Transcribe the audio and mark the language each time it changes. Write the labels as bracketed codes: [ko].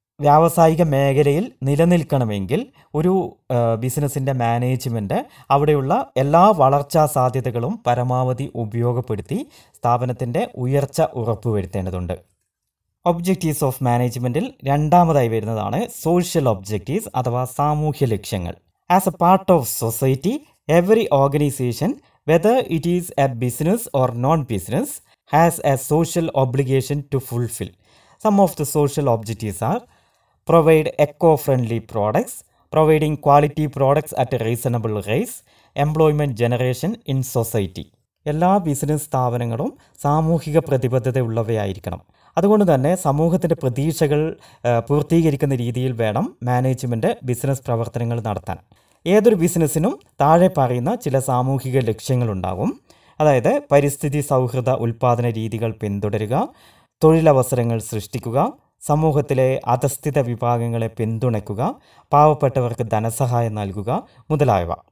[ml] വ്യാവസായിക മേഖലയിൽ നിലനിൽക്കണമെങ്കിൽ ഒരു ബിസിനസ്സിൻ്റെ മാനേജ്മെൻറ്റ് അവിടെയുള്ള എല്ലാ വളർച്ചാ സാധ്യതകളും പരമാവധി ഉപയോഗപ്പെടുത്തി സ്ഥാപനത്തിൻ്റെ ഉയർച്ച ഉറപ്പുവരുത്തേണ്ടതുണ്ട്. ഒബ്ജക്റ്റീവ്സ് ഓഫ് മാനേജ്മെൻറ്റിൽ രണ്ടാമതായി വരുന്നതാണ് സോഷ്യൽ ഒബ്ജക്റ്റീവ്സ് അഥവാ സാമൂഹ്യ ലക്ഷ്യങ്ങൾ. [en] As a part of society every organisation whether it is a business or non-business has a social obligation to fulfill. Some of the social objectives are provide eco-friendly products, providing quality products at a reasonable rate, employment generation in society. [ml] എല്ലാ business സ്ഥാപനങ്ങളും സാമൂഹിക പ്രതിബദ്ധത ഉള്ളവയായിരിക്കണം. അതുകൊണ്ട് തന്നെ സമൂഹത്തിൻ്റെ പ്രതീക്ഷകൾ പൂർത്തീകരിക്കുന്ന രീതിയിൽ വേണം മാനേജ്മെൻറ്റ് ബിസിനസ് പ്രവർത്തനങ്ങൾ നടത്താൻ. ഏതൊരു ബിസിനസ്സിനും താഴെ പറയുന്ന ചില സാമൂഹിക ലക്ഷ്യങ്ങളുണ്ടാകും. അതായത് പരിസ്ഥിതി സൗഹൃദ ഉൽപ്പാദന രീതികൾ പിന്തുടരുക, തൊഴിലവസരങ്ങൾ സൃഷ്ടിക്കുക, സമൂഹത്തിലെ അധസ്ഥിത വിഭാഗങ്ങളെ പിന്തുണയ്ക്കുക, പാവപ്പെട്ടവർക്ക് ധനസഹായം നൽകുക മുതലായവ.